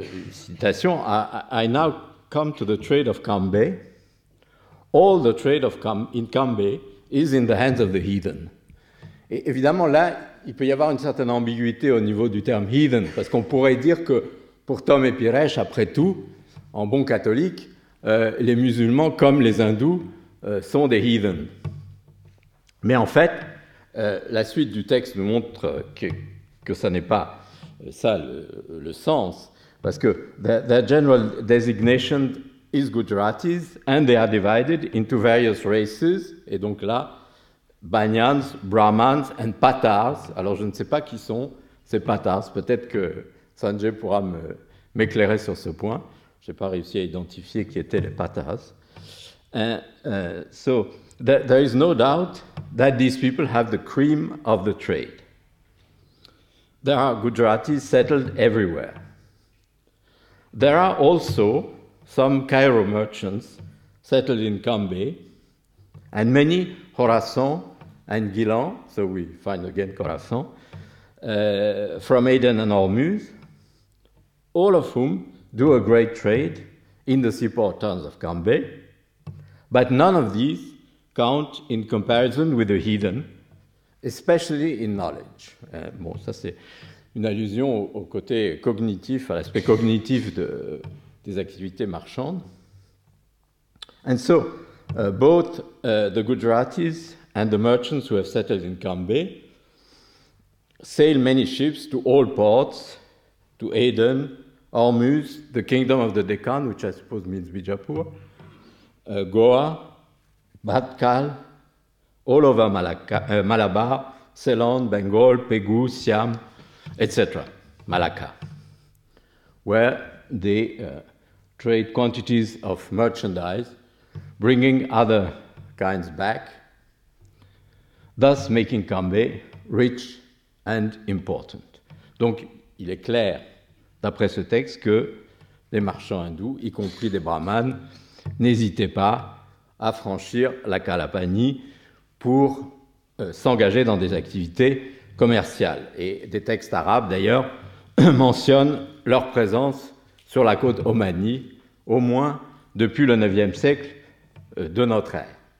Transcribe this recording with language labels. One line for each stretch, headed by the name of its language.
English: Citation, I now come to the trade of Cambay. All the trade of in Cambay is in the hands of the heathen.
French: Et évidemment, là, il peut y avoir une certaine ambiguïté au niveau du terme heathen, parce qu'on pourrait dire que pour Tom Epiresh, après tout, en bon catholique, les musulmans, comme les hindous, sont des heathens. Mais en fait, la suite du texte nous montre que ça n'est pas ça le sens, parce que
English: the general designation is Gujaratis, and they are divided into various races, et donc là, Banyans, Brahmans and Patars.
French: Alors je ne sais pas qui sont ces Patars, peut-être que Sanjay pourra m'éclairer sur ce point. Je n'ai pas réussi à identifier qui étaient les Patars.
English: There is no doubt that these people have the cream of the trade. There are Gujaratis settled everywhere. There are also some Cairo merchants settled in Cambay, and many Khorasan and Gilan, so we find again Khorasan, from Aden and Hormuz, all of whom do a great trade in the seaport towns of Cambay, but none of these count in comparison with the heathen, especially in knowledge.
French: Bon, ça c'est une allusion au côté cognitif, à l'aspect cognitif des activités marchandes.
English: And so, both the Gujaratis and the merchants who have settled in Cambay sail many ships to all ports, to Aden, Hormuz, the kingdom of the Deccan, which I suppose means Bijapur, Goa, Batkal, all over Malabar, Ceylon, Bengal, Pegu, Siam, etc., Malacca, where they trade quantities of merchandise, bringing other kinds back, thus making Cambay rich and important.
French: Donc, il est clair, d'après ce texte, que les marchands hindous, y compris des brahmanes, n'hésitaient pas à franchir la Kalapani pour s'engager dans des activités commerciales. Et des textes arabes, d'ailleurs, mentionnent leur présence sur la côte omanie, au moins depuis le 9e siècle de notre ère.